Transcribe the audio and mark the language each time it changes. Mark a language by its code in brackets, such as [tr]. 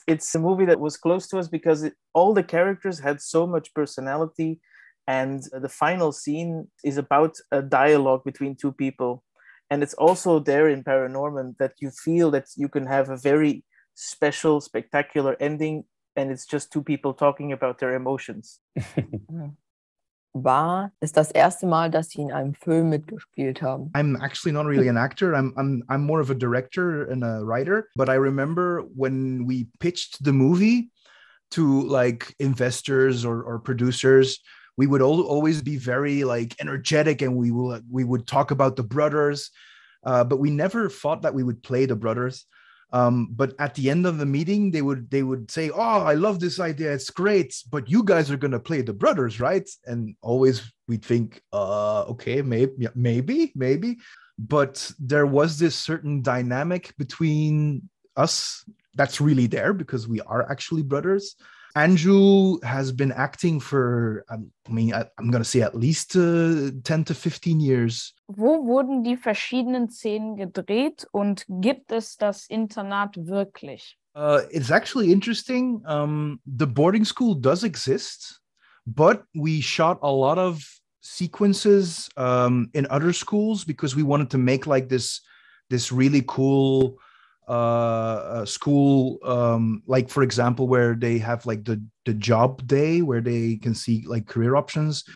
[en] It's a movie that was close to us because all the characters had so much personality. And the final scene is about a dialogue between two people. And it's also there in Paranorman that you feel that you can have a very special, spectacular ending. And it's just two people talking about their emotions. [de] War ist das erste Mal, dass sie in einem Film mitgespielt haben. [en] I'm actually not really an actor. I'm more of a director and a writer. But I remember when we pitched the movie to like investors or producers, we would always be very like energetic and we would talk about the brothers. But we never thought that we would play the brothers. But at the end of the meeting, they would say, oh, I love this idea. It's great. But you guys are going to play the brothers, right? And always we'd think, okay, maybe. But there was this certain dynamic between us that's really there because we are actually brothers. Andrew has been acting for, I'm going to say at least 10 to 15 years. [de] Wo wurden die verschiedenen Szenen gedreht und gibt es das Internat wirklich? [en] It's actually interesting. The boarding school does exist, but we shot a lot of sequences in other schools because we wanted to make like this really cool school, like for example, where they have like the job day where they can see like career options.